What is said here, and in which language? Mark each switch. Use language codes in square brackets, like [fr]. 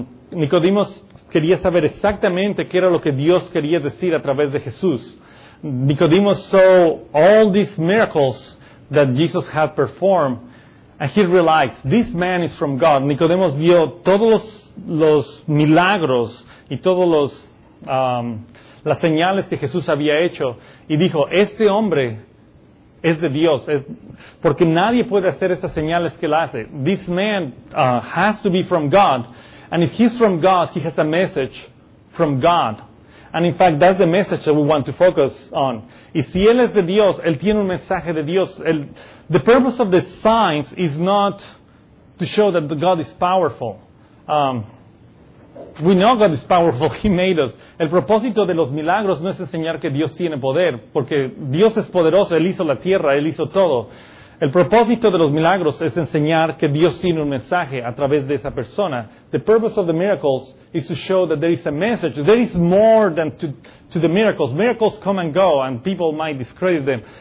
[es] Nicodemus quería saber exactamente qué era lo que Dios quería decir a través de Jesús. [en] Nicodemus saw all these miracles that Jesus had performed, and he realized this man is from God. [es] Nicodemus vio todos los milagros y todos los las señales que Jesús había hecho y dijo, este hombre es de Dios, porque nadie puede hacer esas señales que él hace. [en] This man has to be from God, and if he's from God, he has a message from God. And in fact, that's the message that we want to focus on. [es] Y si él es de Dios, él tiene un mensaje de Dios. [en] The purpose of the signs is not to show that God is powerful. We know God is powerful. He made us. [es] El propósito de los milagros no es enseñar que Dios tiene poder, porque Dios es poderoso. Él hizo la tierra. Él hizo todo. El propósito de los milagros es enseñar que Dios tiene un mensaje a través de esa persona. [en] The purpose of the miracles is to show that there is a message. There is more than to the miracles. Miracles come and go, and people might discredit them.